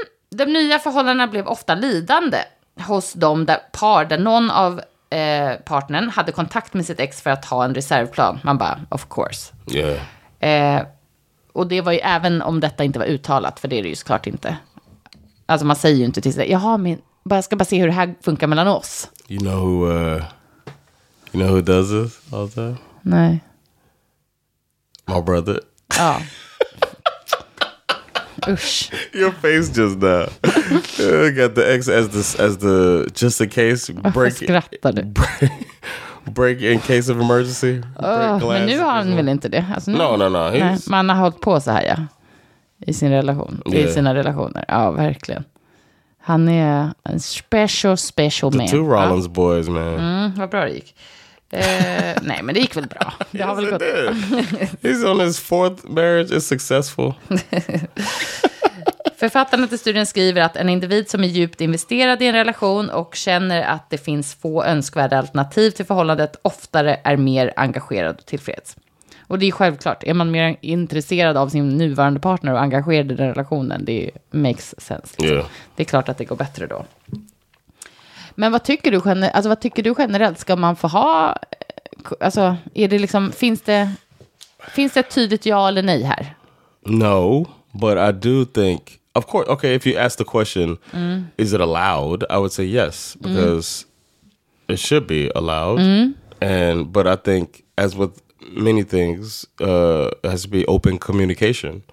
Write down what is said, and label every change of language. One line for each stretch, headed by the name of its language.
Swedish: De nya förhållandena blev ofta lidande hos dem där par där någon av partnern hade kontakt med sitt ex för att ha en reservplan. Man bara,
English: of course. Yeah.
Swedish: Och det var ju även om detta inte var uttalat, för det är det ju såklart inte. Alltså man säger ju inte till sig, jaha, men jag ska bara se hur det här funkar mellan oss.
English: You know who does this all the time?
Swedish: Nej.
English: My brother.
Swedish: Ja. Usch.
English: Your face just now. You got the ex as the just in case
Swedish: break. Skrattar du?
English: Break in case of emergency.
Swedish: Men nu har han väl inte det. Alltså nu,
English: no.
Swedish: Nej, man har hållit på så här, ja. I sin relation. Yeah. I sina relationer. Ja, verkligen. Han är en special
English: the man. The two Rollins boys, man.
Swedish: Mm, vad bra det gick. nej, men det gick väl bra. Det har väl gått.
English: He's on his fourth marriage, is successful.
Swedish: Författarna till studien skriver att en individ som är djupt investerad i en relation och känner att det finns få önskvärda alternativ till förhållandet oftare är mer engagerad och tillfreds. Och det är självklart, är man mer intresserad av sin nuvarande partner och engagerad i den relationen, det
English: makes sense.
Swedish: Liksom. Yeah. Det är klart att det går bättre då. Men vad tycker du generellt, ska man få ha, alltså är det liksom, finns det ett tydligt ja eller nej här?
English: No, but I do think, of course, okay, if you ask the question, is it allowed? I would say yes, because it should be allowed. Mm. And but I think as with many things, it has to be open communication.